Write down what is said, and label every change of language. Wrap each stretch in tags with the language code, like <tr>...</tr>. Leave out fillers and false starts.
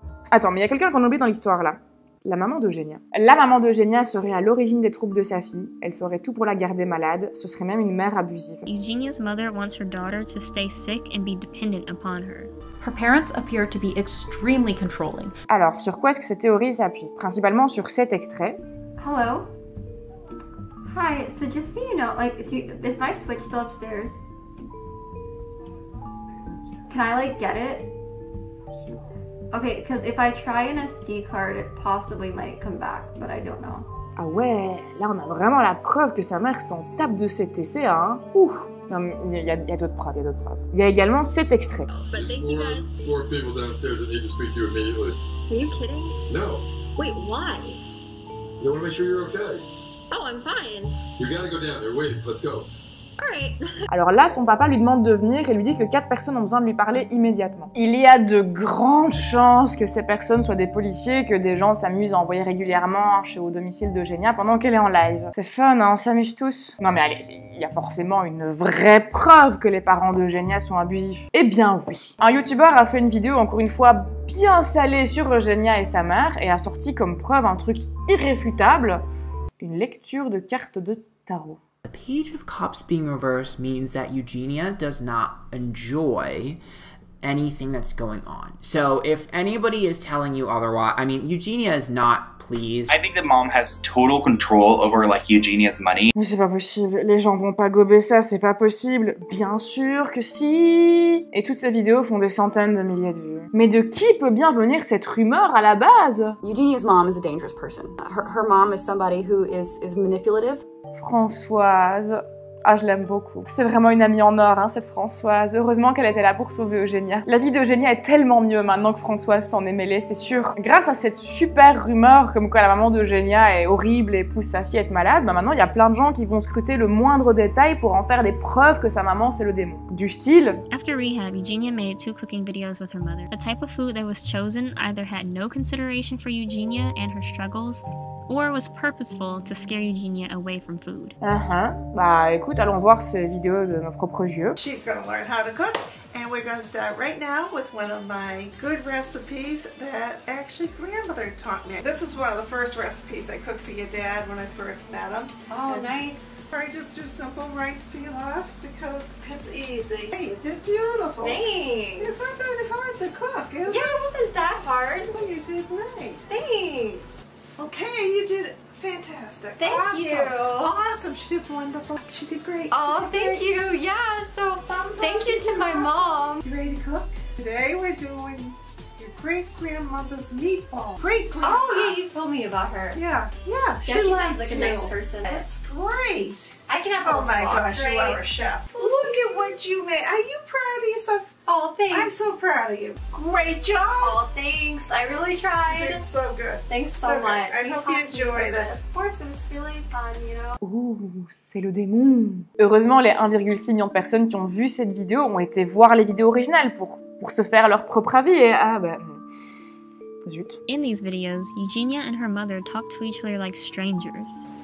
<fr>Attends, mais il y a quelqu'un qu'on oublie dans l'histoire, là. La maman d'Eugenia. La maman d'Eugenia serait à l'origine des troubles de sa fille, elle ferait tout pour la garder malade, ce serait même une mère abusive.</fr> <en>Eugenia's mother wants her daughter to stay sick and be dependent upon her. Her parents appear to be extremely controlling.</en> <fr>Alors, sur quoi est-ce que cette théorie s'appuie? Principalement sur cet extrait.</fr> <en>Hello. Hi, so just so you know, like, is my switch still upstairs? Can I, like, get it? Okay, because if I try an SD card, it possibly might come back, but I don't know.</en> <fr>Ah ouais, là on a vraiment la preuve que sa mère s'en tape de ses TCA, hein? Ouf! Non, mais il y a d'autres preuves, Il y a également cet extrait.</fr> <en>Oh, I'm fine. You gotta go down there, wait, let's go.</en> <fr>Alors là, son papa lui demande de venir et lui dit que 4 personnes ont besoin de lui parler immédiatement. Il y a de grandes chances que ces personnes soient des policiers, que des gens s'amusent à envoyer régulièrement au domicile d'Eugénia pendant qu'elle est en live. C'est fun, hein, on s'amuse tous. Non mais allez, il y a forcément une vraie preuve que les parents d'Eugénia sont abusifs. Eh bien oui. Un youtubeur a fait une vidéo, encore une fois, bien salée sur Eugénia et sa mère et a sorti comme preuve un truc irréfutable, une lecture de cartes de tarot.</fr> <en>The page of cups being reversed means that Eugenia does not enjoy anything that's going on. So if anybody is telling you otherwise, I mean, Eugenia is not pleased. I think the mom has total control over like Eugenia's money.</en> <fr>Mais c'est pas possible. Les gens vont pas gober ça, c'est pas possible. Bien sûr que si. Et toutes ces vidéos font des centaines de milliers de vues. Mais de qui peut bien venir cette rumeur à la base?</fr> <en>Eugenia's mom is a dangerous person. Her mom is somebody who is manipulative.</en> <fr>Françoise, ah je l'aime beaucoup. C'est vraiment une amie en or, hein, cette Françoise. Heureusement qu'elle était là pour sauver Eugénia. La vie d'Eugénia est tellement mieux maintenant que Françoise s'en est mêlée, c'est sûr. Grâce à cette super rumeur comme quoi la maman d'Eugénia est horrible et pousse sa fille à être malade, bah maintenant il y a plein de gens qui vont scruter le moindre détail pour en faire des preuves que sa maman c'est le démon. Du style.</fr> <en>After rehab, Eugenia made 2 cooking videos with her mother. The type of food that was chosen either had no consideration for Eugenia and her struggles. Or was purposeful to scare Eugenia away from food.</en> <fr>Bah écoute, allons voir ces vidéos de nos propres yeux.</fr> <en>She's gonna learn how to cook, and we're gonna start right now with one of my good recipes that actually grandmother taught me. This is one of the first recipes I cooked for your dad when I first met him. Oh, and nice. I just do simple rice pilaf because it's easy. Hey, you did beautiful. Thanks. It's not that hard to cook, is it? Yeah, it wasn't that hard. Well, you did great. Thanks. Okay, you did fantastic. Thank you. She did wonderful. She did great. Oh, thank you. Yeah, so thank you to my mom. You ready to cook? Today we're doing your great-grandmother's meatball. Great-grandma. Oh, yeah, you told me about her. Yeah. She sounds like a nice person. That's great. I can have all the spots, right? Oh my gosh, you are a chef. Look at what you made. Are you proud of yourself? Oh, thanks. I'm so proud of you. Great job. Oh, thanks. I really tried. You did so good. Thanks so much. I hope you enjoyed it. Of course, it was really fun, you know.</en> <fr>Ouh, c'est le démon. Heureusement, les 1,6 million de personnes qui ont vu cette vidéo ont été voir les vidéos originales pour se faire leur propre avis. Et ah, bah... Zut.</fr> <en>In these videos, Eugenia and her mother talk to each other like strangers.</en>